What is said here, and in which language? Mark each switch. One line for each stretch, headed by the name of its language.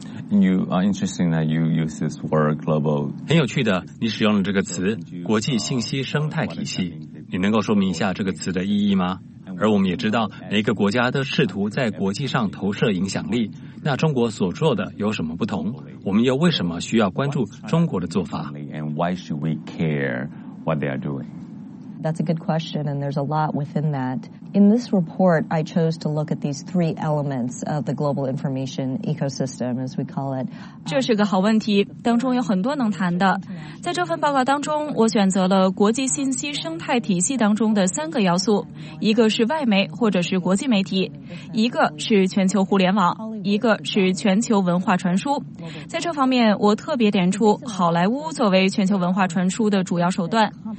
English: You are interesting that you use this word global.
Chinese: 很有趣的，你使用了这个词“国际信息生态体系”。你能够说明一下这个词的意义吗？而我们也知道，每个国家都试图在国际上投射影响力。那中国所做的有什么不同？我们又为什么需要关注中国的做法
English: ？And why should we care what they are doing? That's a good question, and there's a lot within that. In this report, I chose to look at these three elements of the global information ecosystem, as we call it.
Chinese: 这是个好问题，当中有很多能谈的。在这份报告当中，我选择了国际信息生态体系当中的三个要素，一个是外媒或者是国际媒体，一个是全球互联网，一个是全球文化传输。在这方面，我特别点出好莱坞作为全球文化传输的主要手段。